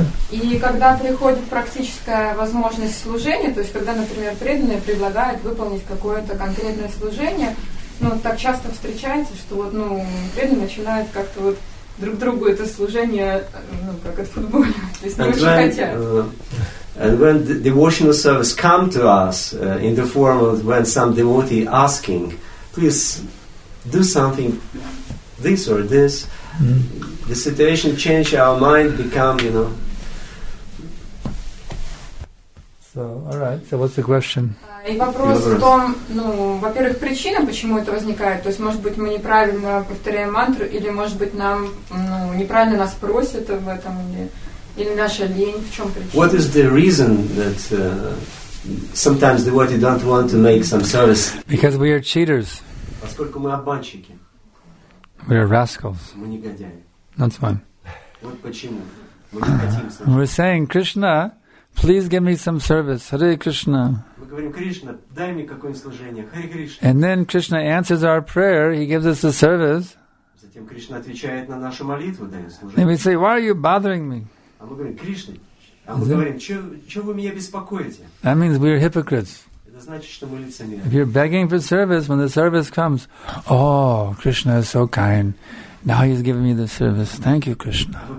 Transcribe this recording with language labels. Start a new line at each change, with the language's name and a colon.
Russian: И когда приходит практическая возможность служения, то есть когда, например, преданные предлагают выполнить какое-то конкретное служение, так часто встречается, что преданные начинают как-то друг другу это служение, как от футболя, то есть не очень хотят.
English: And when the devotional service come to us in the form of when some devotee asking, please do something this or this. Mm-hmm. The situation changed our mind, become, So, all right. So, what's the question?
Russian: И вопрос в том, во-первых, причина, почему это возникает. То есть, может быть, мы неправильно повторяем мантру, или, может быть, нам, неправильно нас просят в этом, или наша лень. В чем причина?
English: What is the reason that sometimes devotees don't want to make some service? Because we are cheaters.
Russian: Поскольку мы обманщики.
English: We are rascals.
Russian: Мы негодяи.
English: That's why.
Russian: Вот почему. Мы не хотим служить.
English: We're saying, Krishna, please give me some service. Hare Krishna.
Russian: Мы говорим, Кришна, дай мне какое-нибудь служение. Hare Krishna.
English: And then Krishna answers our prayer. He gives us a service.
Russian: Затем Кришна отвечает на нашу молитву, дай служение.
English: And we say, why are you bothering me?
Russian: А мы говорим, Кришна. А мы говорим, что вы меня беспокоите?
English: That means we are hypocrites. If you're begging for service, when the service comes, oh, Krishna is so kind. Now he's giving me the service. Thank you, Krishna.